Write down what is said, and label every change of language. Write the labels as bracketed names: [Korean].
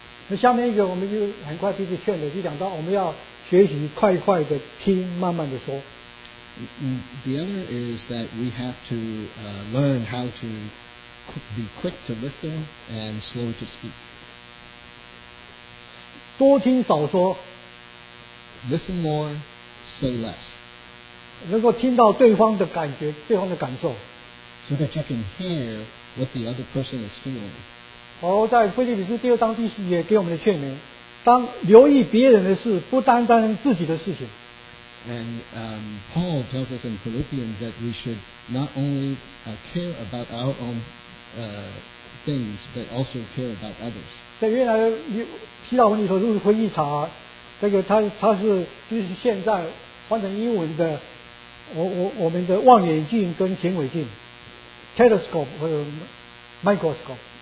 [Chinese] 那下面一个我们就很快彼此劝的，就讲到我们要学习快快的听，慢慢的说。 [English] The other is that we have to learn how to be quick to listen and slow to speak. [Chinese] 多听少说。 [English] Listen more, say less. [Chinese] 能够听到对方的感觉，对方的感受。 [English] So that you can hear what the other person is feeling. [Chinese] 好，在腓立比书第二章第十节给我们的劝勉，当留意别人的事，不单单自己的事情。 [English] And Paul tells us in Philippians that we should not only care about our own things, but also care about others. [Chinese] 在原来希腊文里头，如果回忆查，这个它是就是现在换成英文的，我们的望远镜跟显微镜 ，telescope 或者 microscope。